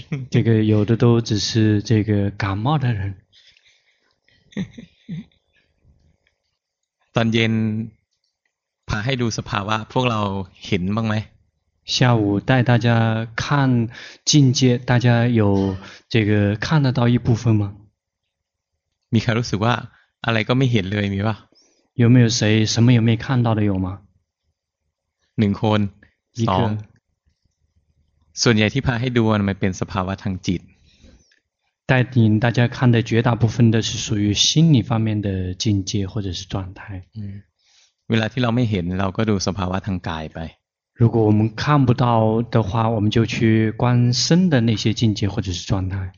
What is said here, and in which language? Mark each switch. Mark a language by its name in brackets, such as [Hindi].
[Chinese] 这个有的都只是这个感冒的人 [Thai] ตอนเย็นพาให้ดูสภาวะพวกเราเห็นบ้างไหม [Chinese] 下午带大家看境界大家有这个看得到一部分吗 [Thai] มีใครรู้สึกว่าอะไรก็ไม่เห็นเลยมีป่ะ [Chinese] 有没有谁什么也没看到的有吗 [Thai] หนึ่งคน [Chinese] 一个 [Thai] ส่วนใหญ่ที่พาให้ดูมันเป็นสภาวะทางจิต [Chinese] 带领大家看的绝大部分的是属于心理方面的境界或者是状态 [Thai] เวลาที่เราไม่เห็นเราก็ดูสภาวะทางกายไป [Chinese] 如果我们看不到的话我们就去观身的那些境界或者是状态